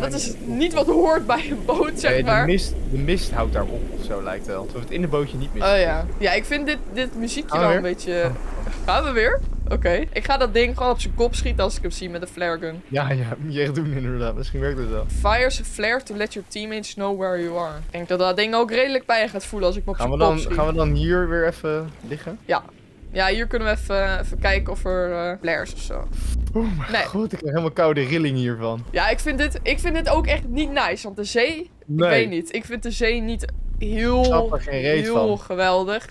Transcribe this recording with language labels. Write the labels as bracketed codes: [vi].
[nl] dat is niet wat hoort bij een boot, zeg maar. De mist houdt daar op, zo lijkt wel. Of het in het bootje niet mist. Oh ja. Ja, ik vind dit muziekje wel een beetje... Gaan we weer? Oké. Ik ga dat ding gewoon op zijn kop schieten als ik hem zie met een flare gun. Ja, moet je echt doen inderdaad. Misschien werkt het wel. [en] Fires a flare to let your teammates know where you are. [nl] Ik denk dat dat ding ook redelijk bij je gaat voelen als ik hem op zijn kop schiet. Gaan we dan hier weer even liggen? Ja. Ja, hier kunnen we even kijken of er flares of zo. Oh mijn god, ik heb helemaal koude rilling hiervan. Ja, ik vind dit ook echt niet nice, want de zee, nee. Ik weet niet. Ik vind de zee niet heel, geweldig.